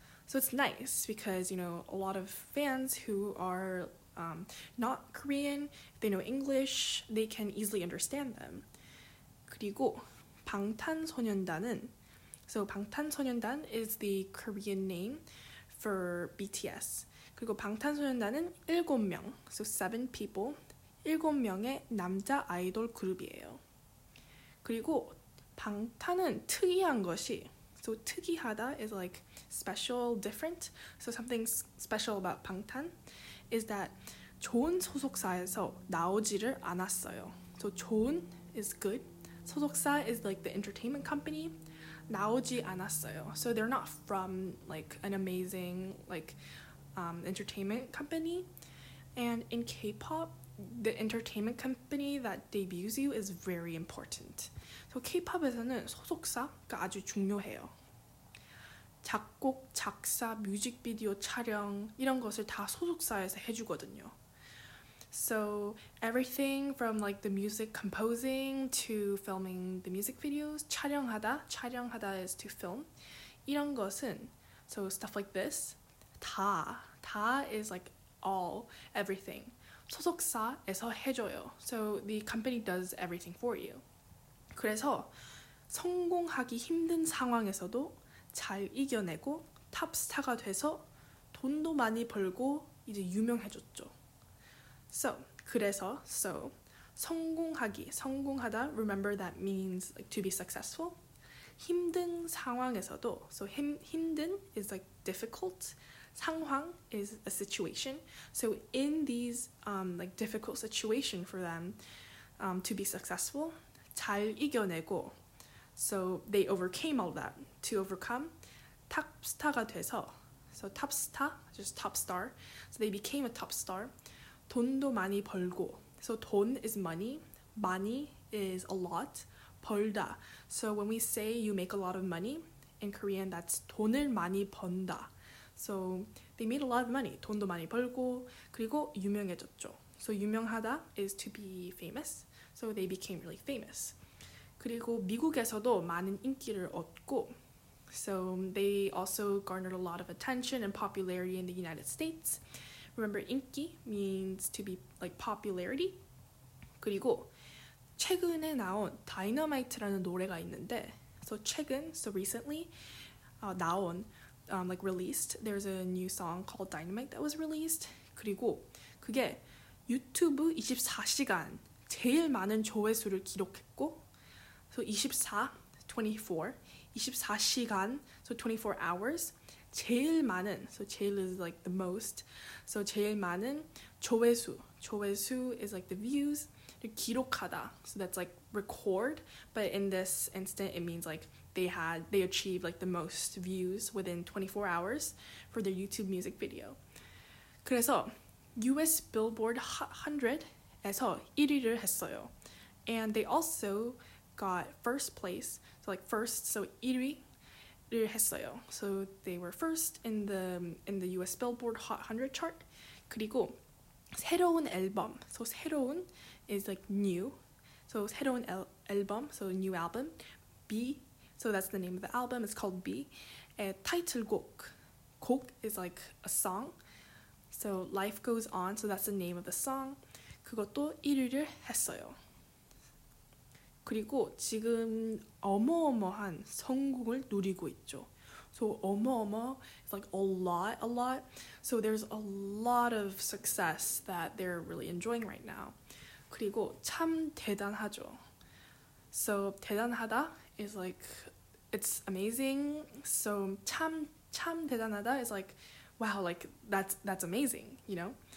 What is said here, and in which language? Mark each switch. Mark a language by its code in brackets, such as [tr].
[en] So it's nice because, you know, a lot of fans who are not Korean, if they know English, they can easily understand them. [ko] 그리고 방탄소년단은, [en] so 방탄소년단 is the Korean name for BTS. [ko] 그리고 방탄소년단은 7명, [en] so 7 people, [ko] 7명의 남자 아이돌 그룹이에요. 그리고 방탄은 특이한 것이, [en] so 특이하다 is like special, different, so something special about 방탄 is that [ko] 좋은 소속사에서 나오지를 않았어요. [en] So 좋은 is good, 소속사 is like the entertainment company, [ko] 나오지 않았어요. [en] So they're not from like an amazing, like, entertainment company, and in K-pop, the entertainment company that debuts you is very important. [ko] So K-pop에서는 소속사가 아주 중요해요. 작곡, 작사, 뮤직비디오 촬영 이런 것을 다 소속사에서 해주거든요. [en] So everything from like the music composing to filming the music videos, 촬영하다 is to film. [ko] 이런 것은, [en] so stuff like this, 다. 다 is like all, everything. [ko] 소속사에서 해줘요. [en] So the company does everything for you. [ko] 그래서 성공하기 힘든 상황에서도 잘 이겨내고 탑스타가 돼서 돈도 많이 벌고 이제 유명해졌죠. [en] So 성공하다, remember that means like to be successful. [ko] 힘든 상황에서도, [en] so 힘든 is like difficult. 상황 is a situation. So in these like difficult situation for them to be successful, [ko] 잘 이겨내고, [en] so they overcame all that to overcome. [ko] 탑스타가 돼서, [en] so 탑스타, just top star. So they became a top star. [ko] 돈도 많이 벌고. [en] So 돈 is money. Money is a lot. 벌다. So when we say you make a lot of money, in Korean that's [ko] 돈을 많이 번다. [en] So they made a lot of money. [ko] 돈도 많이 벌고 그리고 유명해졌죠. [en] So 유명하다 is to be famous. So they became really famous. [ko] 그리고 미국에서도 많은 인기를 얻고, [en] so they also garnered a lot of attention and popularity in the United States. Remember, 인기 means to be like popularity. [ko] 그리고 최근에 나온 Dynamite라는 노래가 있는데, [en] so 최근, so recently, 나온, like released, there's a new song called Dynamite that was released. [ko] 그리고 그게 유튜브 24시간 제일 많은 조회수를 기록했고, [en] so 24시간, so 24 hours, 제일 많은, so 제일 is like the most, so [ko] 제일 많은 조회수, [en] 조회수 is like the views, 기록하다, so that's like record, but in this instant it means like they achieved like the most views within 24 hours for their YouTube music video. [ko] 그래서 US Billboard Hot 100에서 1위를 했어요. [en] And they also got first place, so like first, so [ko] 1위를 했어요. [en] So they were first in the US Billboard Hot 100 chart. [ko] 그리고 새로운 앨범, [en] so 새로운 is like new, so 새로운 앨범, so new album, B, so that's the name of the album, it's called B, 타이틀곡, 곡 is like a song, so Life Goes On, so that's the name of the song, [ko] 그것도 1위를 했어요. 그리고 지금 어마어마한 성공을 누리고 있죠. [en] So 어마어마, it's like a lot. So there's a lot of success that they're really enjoying right now. [ko] 그리고 참 대단하죠. [en] So 대단하다 is like, it's amazing. So [ko] 참 대단하다 [en] is like, wow, like that's amazing, you know?